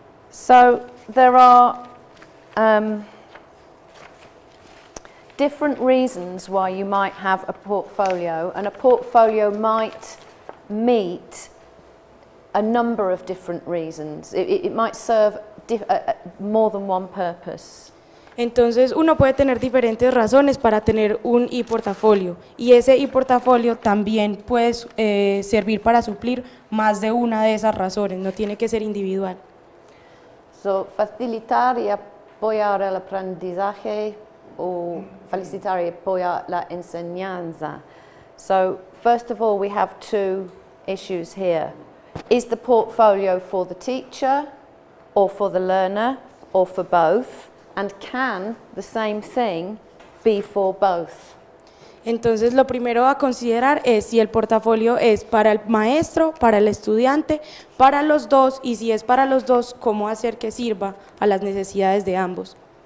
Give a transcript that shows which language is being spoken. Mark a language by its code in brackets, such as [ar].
[en] So there are different reasons why you might have a portfolio, and a portfolio might meet a number of different reasons. It might serve more than one purpose. [es] Entonces, uno puede tener diferentes razones para tener un e-portafolio, y ese e-portafolio también puede servir para suplir más de una de esas razones, no tiene que ser individual. So, facilitar y apoyar el aprendizaje o facilitar y apoyar la enseñanza. [en] So, first of all, we have two issues here. Is the portfolio for the teacher or for the learner or for both? And can the same thing be for both? [es] Entonces, lo primero a considerar es si el portafolio es para el maestro, para el estudiante, para los dos, y si es para los dos, cómo hacer que sirva a las necesidades de ambos.